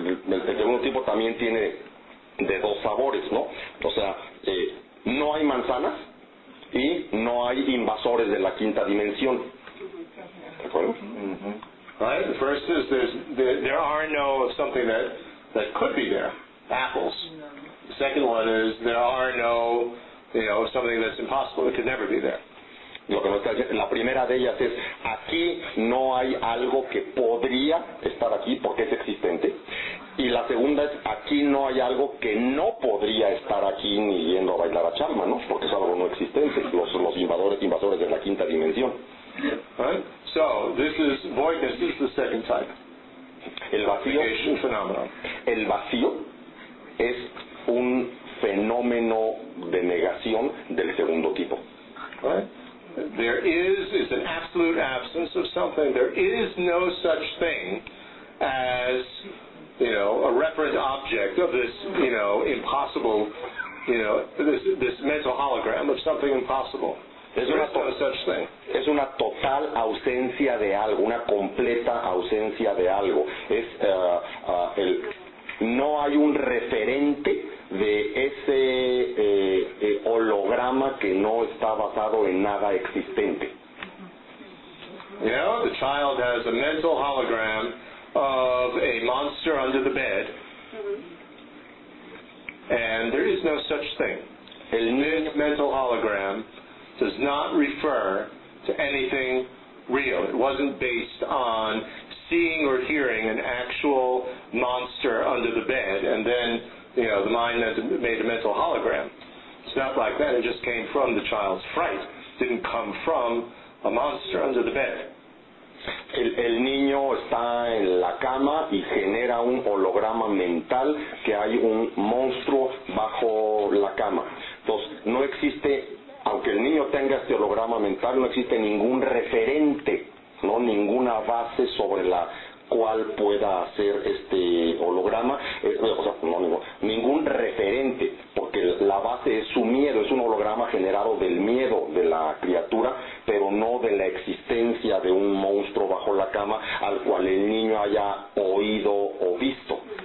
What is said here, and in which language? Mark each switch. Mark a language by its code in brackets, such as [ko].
[es] El segundo tipo también tiene de dos sabores, ¿no? O sea, no hay manzanas y no hay invasores de la quinta dimensión. ¿De acuerdo? Mm-hmm. [en] Right. The first is there are no something that could be there, apples. The second one is there are no something that's impossible, that could never be there. [es] Lo que nos está diciendo, la primera de ellas es, aquí no hay algo que podría estar aquí porque es existente. Y la segunda es, aquí no hay algo que no podría estar aquí ni yendo a bailar a chamba, ¿no? Porque es algo no existente, los invasores de la quinta dimensión. [en] Right? So, this is voidness, this is the second type. [es] El vacío, es un fenómeno de negación del segundo tipo. [en] Right? There is an absolute absence of something. There is no such thing as, a referent object of this, impossible this mental hologram of something impossible. [es] Es una total ausencia de algo, una completa ausencia de algo. Es el no hay un referente de ese holograma que no está basado en nada existente. [en] You know, the child has a mental hologram of a monster under the bed, and there is no such thing. [es] El [en] mental hologram does not refer to anything real. It wasn't based on seeing or hearing an actual monster under the bed, and then, you know, the mind made a mental hologram. It's not like that. It just came from the child's fright. It didn't come from a monster under the bed. [es] El niño está en la cama y genera un holograma mental que hay un monstruo bajo la cama. Entonces, no existe. Aunque el niño tenga este holograma mental, no existe ningún referente, no ninguna base sobre la cual pueda hacer este holograma, ningún referente, porque la base es su miedo, es un holograma generado del miedo de la criatura, pero no de la existencia de un monstruo bajo la cama al cual el niño haya oído o visto.